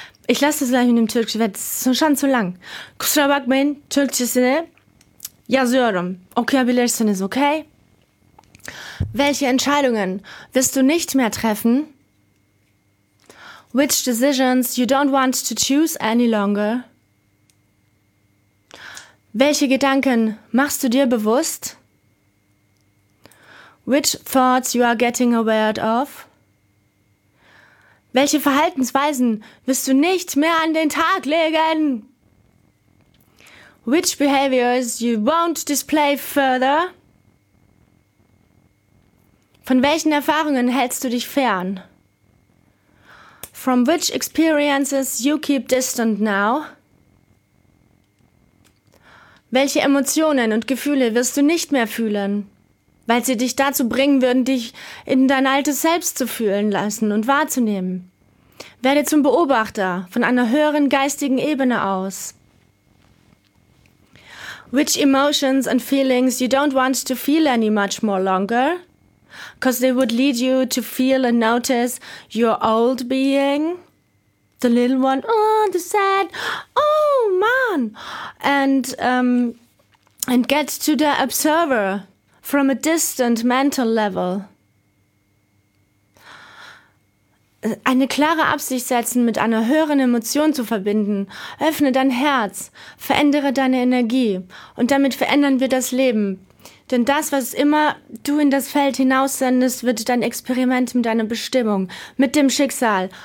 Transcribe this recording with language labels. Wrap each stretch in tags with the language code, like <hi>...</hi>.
<de>Ich lasse das gleich mit dem Türkischen, das ist schon zu lang.</de> <tr>Kusura bakmayın, Türkçesini yazıyorum. Okuyabilirsiniz, okay?</tr> <de>Welche Entscheidungen wirst du nicht mehr treffen?</de> <en>Which decisions you don't want to choose any longer?</en> <de>Welche Gedanken machst du dir bewusst?</de> <en>Which thoughts you are getting aware of?</en> <de>Welche Verhaltensweisen wirst du nicht mehr an den Tag legen?</de> <en>Which behaviors you won't display further?</en> <de>Von welchen Erfahrungen hältst du dich fern?</de> <en>From which experiences you keep distant now?</en> <de>Welche Emotionen und Gefühle wirst du nicht mehr fühlen, weil sie dich dazu bringen würden, dich in dein altes Selbst zu fühlen lassen und wahrzunehmen? Werde zum Beobachter von einer höheren geistigen Ebene aus.</de> <en>Which emotions and feelings you don't want to feel any much more longer? Because they would lead you to feel and notice your old being. The little one, oh, the sad, oh man. And get to the observer from a distant mental level.</en> <de>Eine klare Absicht setzen, mit einer höheren Emotion zu verbinden. Öffne dein Herz, verändere deine Energie und damit verändern wir das Leben. Denn das, was immer du in das Feld hinaussendest, wird dein Experiment mit deiner Bestimmung, mit dem Schicksal.</de>